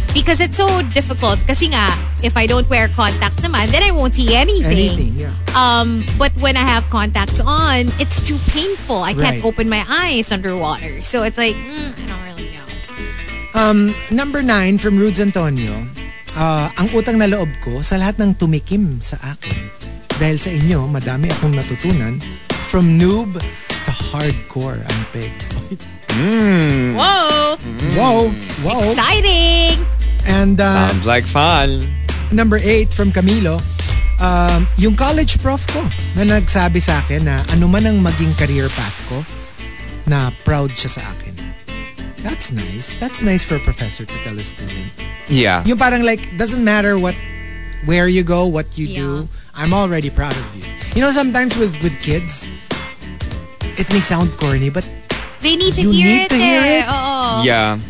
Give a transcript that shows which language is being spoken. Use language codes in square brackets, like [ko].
[en] Because it's so difficult. [tl] Kasi nga, [en] if I don't wear contacts naman, then I won't see anything. Anything, yeah. But when I have contacts on, it's too painful. I can't open my eyes underwater. So it's like, I don't really know. Number 9 from Rudes Antonio. [tl] Ang utang na loob ko sa lahat ng tumikim sa akin. Dahil sa inyo, madami akong natutunan. [en] From noob to hardcore, [tl] ang pig. [en] Whoa. Exciting. And sounds like fun. Number 8 from Camilo. [tl] Yung college prof ko na nagsabi sa akin na ano man ang maging career path ko, na proud siya sa akin. [en] That's nice. That's nice for a professor to tell a student. Yeah. Yung parang like, doesn't matter where you go, what you do, I'm already proud of you. You know, sometimes with kids, it may sound corny, but You need to hear it. Yeah.